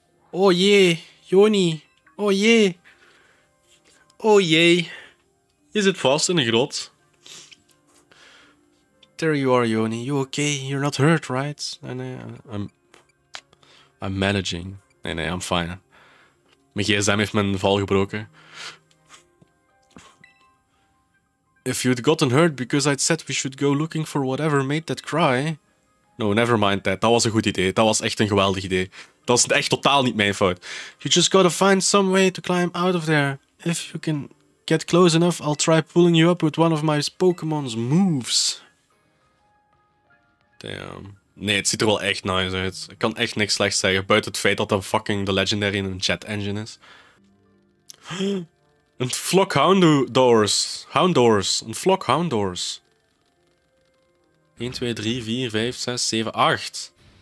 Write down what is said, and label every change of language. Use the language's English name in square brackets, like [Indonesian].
[Dutch] Oh jee, Joni. Oh jee. Oh jee. Je zit vast in een grot. [English] There you are, Joni. You okay? You're not hurt, right? I'm managing. Nee, I'm fine. [Dutch] Mijn gsm heeft mijn val gebroken. [English] If you'd gotten hurt because I'd said we should go looking for whatever made that cry... No, never mind that. [Dutch] Dat was een goed idee. Dat was echt een geweldig idee. Dat is echt totaal niet mijn fout. [English] You just gotta find some way to climb out of there. If you can get close enough, I'll try pulling you up with one of my Pokémon's moves. Damn. [Dutch] Nee, het ziet er wel echt nice uit. Ik kan echt niks slechts zeggen, buiten het feit dat een fucking The Legendary een jet engine is. Een flock houndoors. Houndoors. Een flock houndoors. [English] 1, 2, 3, 4, 5, 6, 7, 8.